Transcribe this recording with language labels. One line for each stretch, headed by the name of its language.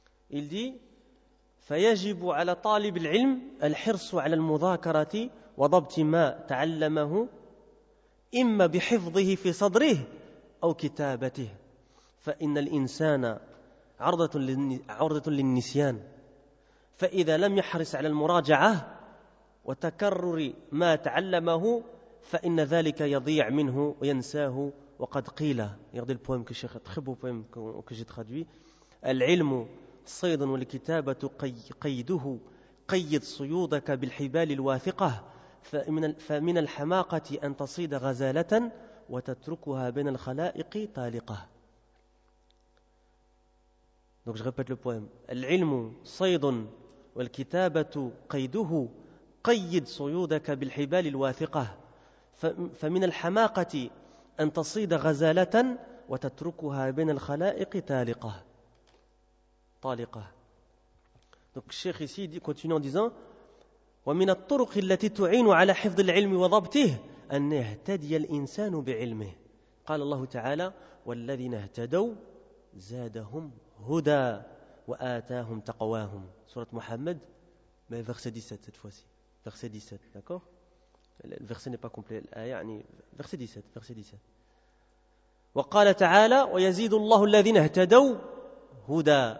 French: Il dit
Arabic: فَيَجِبُ عَلَى طَالِبِ الْعِلْمِ الْحِرْصُ عَلَى الْمُذَاكَرَةِ وَضَبْتِ مَا تَعَلَّمَهُ إِمَّا بِحِفْظِهِ فِي صَدْرِهِ أَوْ كِتَابَتِهِ فَإِنَّ الْإِنسَانَ عُرْضَةٌ لِلنِّسْيَانِ فَإِذَا لَمْ يَحْرِصْ عَلَى الْمُرَاجَعَةِ وَتَكَرُّرِ مَا تَعَلَّمَهُ فَإِنَّ ذَلِكَ يَضِيعْ مِنْهُ وَيَنْسَاهُ وَقَدْ قِيلَ.
French: Regardez le poème que Cheikh, très beau poème que j'ai traduit.
Arabic: العلم صيد والكتابة قيده قيد صيودك بالحبال الواثقة فمن الحماقة أن تصيد غزالة وتتركها بين الخلائق طالقة.
French: Donc je répète le poème.
Arabic: العلم صيد والكتابة قيده قيد صيودك بالحبال الواثقة فمن الحماقة أن تصيد غزالة وتتركها بين الخلائق تالقة. طالقه.
French: Donc Cheikh ici dit, continue en disant,
Arabic: ومن الطرق التي تعين على حفظ العلم وضبطه ان يهتدي الانسان بعلمه. قال الله تعالى والذين اهتدوا زادهم هدى واتاهم تقواهم.
French: سوره محمد mais verset 17 cette fois-ci. Verset 17, d'accord ? Le verset n'est pas complet. Verset 17, verset 17.
Arabic: وقال تعالى ويزيد الله الذين اهتدوا هدى.